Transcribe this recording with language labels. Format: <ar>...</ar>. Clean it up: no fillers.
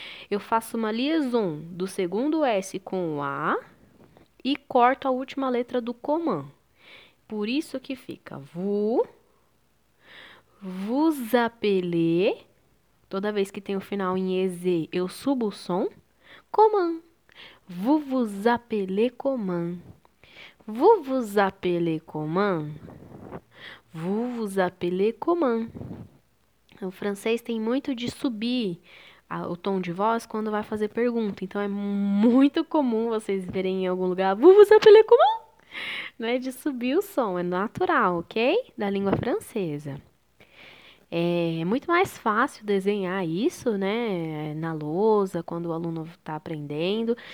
<pt>Eu faço uma liaison do segundo S com o A e corto a última letra do comment. Por isso que fica</pt> <fr>vous appelez.</fr> <pt>Toda vez que tem o final em EZ, eu subo o som.</pt> <fr>Comment. Vous vous appelez comment? Vous vous appelez comment? Vous vous appelez comment?</fr> <pt>O francês tem muito de subir o tom de voz quando vai fazer pergunta. Então é muito comum vocês verem em algum lugar</pt> <fr>vous vous appelez comment?</fr> <pt>Não é de subir o som, é natural, ok? Da língua francesa. É muito mais fácil desenhar isso, né, na lousa, quando o aluno está aprendendo.</pt>